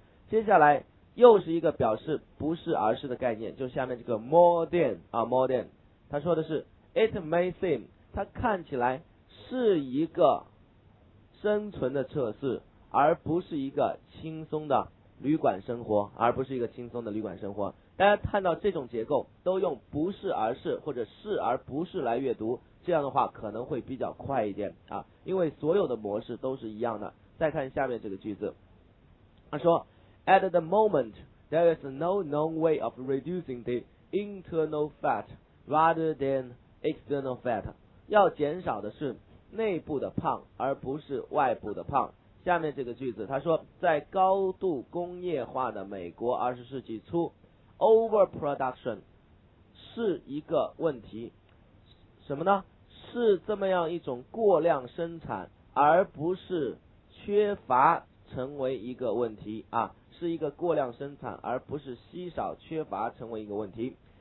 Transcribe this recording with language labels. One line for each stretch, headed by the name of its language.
Chinese: 接下来又是一个表示不是而是的概念，就下面这个 more than 啊 more than， 他说的是
English: it may seem，
Chinese: 它看起来是一个生存的测试，而不是一个轻松的旅馆生活，而不是一个轻松的旅馆生活。大家看到这种结构都用不是而是或者是而不是来阅读，这样的话可能会比较快一点啊，因为所有的模式都是一样的。再看下面这个句子，他说
English: at the moment there is no known way of reducing the internal fat rather than external fat，
Chinese: 要减少的是内部的胖而不是外部的胖。下面这个句子他说，在高度工业化的美国20世纪初， overproduction 是一个问题，什么呢？是这么样一种过量生产，而不是缺乏成为一个问题啊，是一个过量生产，而不是稀少缺乏成为一个问题。